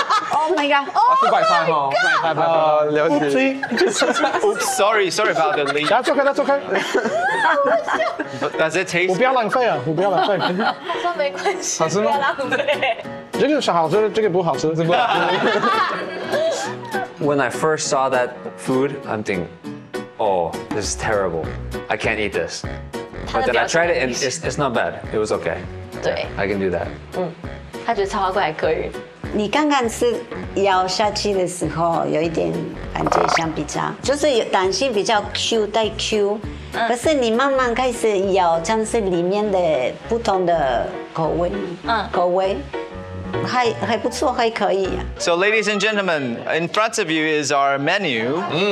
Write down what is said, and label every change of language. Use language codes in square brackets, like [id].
[en] Oh my god！ [zh] 是摆盘哈，摆盘，了解。 [en] Sorry about the link。 [zh] 大家坐开，坐开。 [en] Does it taste？ [zh] 我不要浪费啊，我不要浪费。他说没关系，好吃吗？这个是好吃，这个不好吃，是不？ [en] When I first saw that food, I'm thinking, oh, this is terrible. I can't eat this. But then I tried it and it's not bad. It was okay. [zh] 对、 [en] yeah, I can do that. [zh] 嗯，他觉得超好怪还可以。你刚刚吃咬下去的时候，有一点感觉像比较，就是弹性比较 Q 带 Q。可是你慢慢开始咬，像是里面的不同的口味。口味。还不错，还可以。 [en] So, ladies and gentlemen, in front of you is our menu.